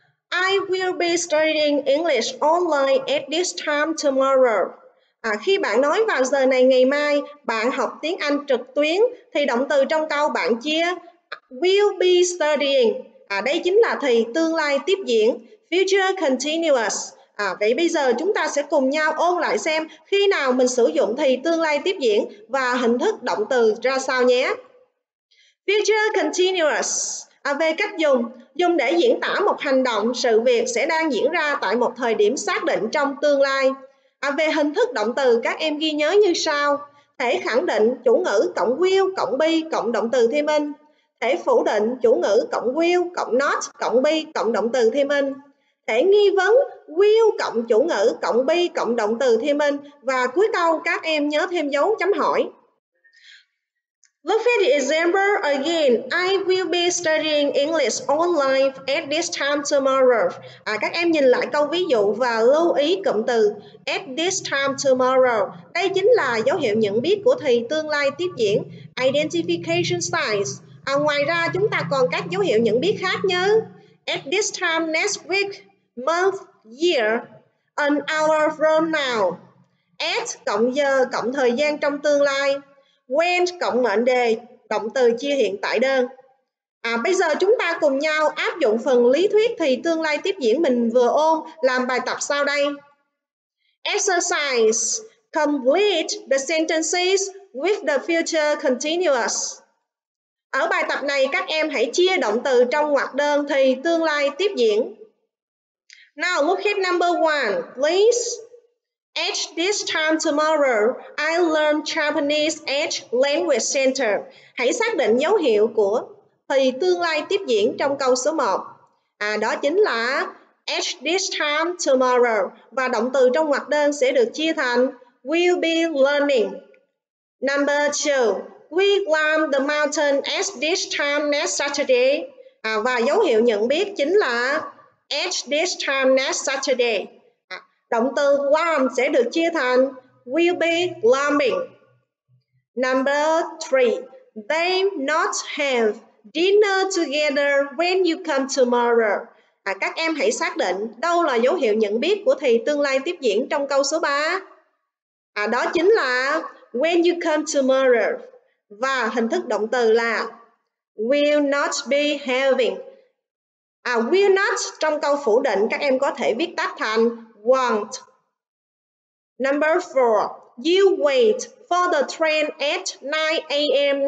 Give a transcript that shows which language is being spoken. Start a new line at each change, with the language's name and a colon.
English: I will be studying English online at this time tomorrow.
Vietnamese: À, khi bạn nói vào giờ này ngày mai, bạn học tiếng Anh trực tuyến, thì động từ trong câu bạn chia
English: will be studying.
Vietnamese: À, đây chính là thì tương lai tiếp diễn, future continuous. À, vậy bây giờ chúng ta sẽ cùng nhau ôn lại xem khi nào mình sử dụng thì tương lai tiếp diễn và hình thức động từ ra sao nhé. Future continuous. À, về cách dùng, dùng để diễn tả một hành động, sự việc sẽ đang diễn ra tại một thời điểm xác định trong tương lai. À, về hình thức động từ, các em ghi nhớ như sau. Thể khẳng định, chủ ngữ cộng will cộng be cộng động từ thêm in. Thể phủ định, chủ ngữ cộng will cộng not cộng be cộng động từ thêm in. Thể nghi vấn, will cộng chủ ngữ cộng be cộng động từ thêm in. Và cuối câu, các em nhớ thêm dấu chấm hỏi.
English: Look at the example again. I will be studying English online at this time tomorrow.
Vietnamese: À, các em nhìn lại câu ví dụ và lưu ý cụm từ
English: at this time tomorrow.
Vietnamese: Đây chính là dấu hiệu nhận biết của thì tương lai tiếp diễn,
English: identification signs.
Vietnamese: À, ngoài ra chúng ta còn các dấu hiệu nhận biết khác như
English: at this time next week, month, year, an hour from now,
Vietnamese: at cộng giờ cộng thời gian trong tương lai, when cộng mệnh đề, động từ chia hiện tại đơn. À, bây giờ chúng ta cùng nhau áp dụng phần lý thuyết thì tương lai tiếp diễn mình vừa ôn làm bài tập sau đây.
English: Exercise. Complete the sentences with the future continuous.
Vietnamese: Ở bài tập này các em hãy chia động từ trong ngoặc đơn thì tương lai tiếp diễn.
English: Now look at number one, please. At this time tomorrow, I learn Japanese at Language Center.
Vietnamese: Hãy xác định dấu hiệu của thì tương lai tiếp diễn trong câu số 1. À, đó chính là
English: at this time tomorrow.
Vietnamese: Và động từ trong ngoặc đơn sẽ được chia thành
English: will be learning. Number 2. We climb the mountain at this time next Saturday.
Vietnamese: À, và dấu hiệu nhận biết chính là
English: at this time next Saturday.
Vietnamese: Động từ climb sẽ được chia thành
English: will be climbing. Number 3. They not have dinner together when you come tomorrow.
Vietnamese: Các em hãy xác định đâu là dấu hiệu nhận biết của thì tương lai tiếp diễn trong câu số 3. Đó chính là
English: when you come tomorrow
Vietnamese: và hình thức động từ là
English: will not be having.
Vietnamese: Will not trong câu phủ định các em có thể viết tắt thành won't.
English: Number 4. You wait for the train at 9 a.m.